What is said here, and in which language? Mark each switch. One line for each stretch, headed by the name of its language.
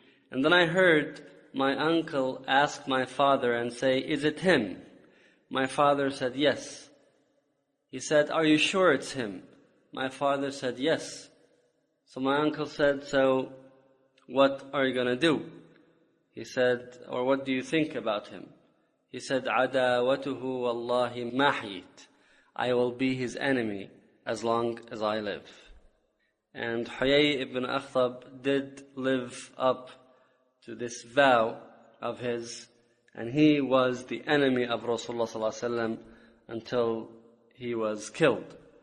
English: And then I heard my uncle ask my father and say, is it him? My father said, yes. He said, are you sure it's him? My father said, yes. So my uncle said, so what are you going to do? He said, or what do you think about him? He said,
Arabic: عَدَاوَتُهُ وَاللَّهِ مَحِيتْ.
English: I will be his enemy as long as I live. And Huyay ibn Akhtab did live up to this vow of his, and he was the enemy of Rasulullah sallallahu alayhi wa sallam until he was killed.